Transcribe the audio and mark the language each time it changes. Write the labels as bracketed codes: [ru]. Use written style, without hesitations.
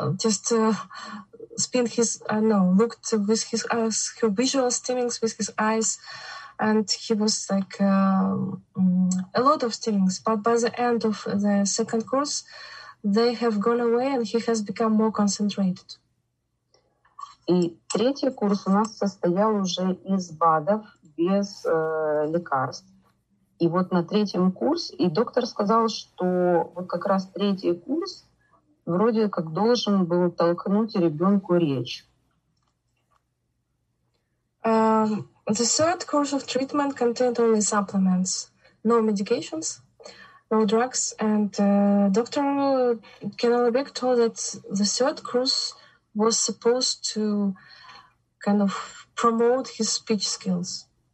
[en] He looked with his eyes, her visual stimmings with his eyes. And he was like a lot of stimmings, but by the end of the second course, they have gone away, and he has become more concentrated. [ru] И третий курс у нас состоял уже из БАДов без лекарств. И вот на третьем курсе, и доктор сказал, что вот как раз третий курс вроде как должен был толкнуть ребенку речь. [en] The third course of treatment contained only supplements, no medications, no drugs, and Dr. Alibek told that the third course was supposed to kind of promote his speech skills.